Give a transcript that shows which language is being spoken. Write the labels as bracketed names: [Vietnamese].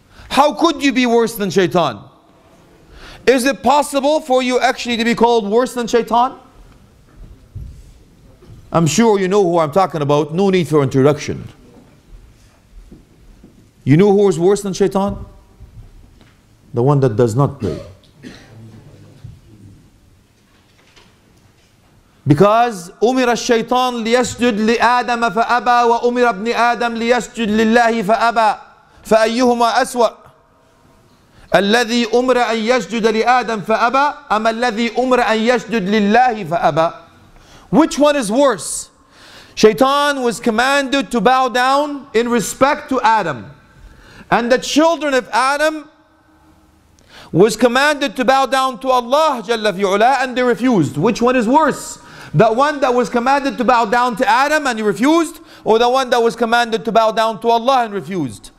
[English] How could you be worse than shaitan? Is it possible for you actually to be called worse than shaitan? I'm sure you know who I'm talking about. No need for introduction. You know who is worse than shaitan? The one that does not pray. [Arabic] Because أمر الشيطان ليسجد لآدم فأبى وأمر ابن آدم ليسجد لله فأبى فأيهما أسوأ الذي أمر أن يسجد لآدم فأبى أم الذي أمر أن يسجد لله فأبى. [English] Which one is worse? Shaitan was commanded to bow down in respect to Adam, and the children of Adam was commanded to bow down to Allah [Arabic] جل في علا, [English] and they refused. Which one is worse? The one that was commanded to bow down to Adam and he refused, or the one that was commanded to bow down to Allah and refused?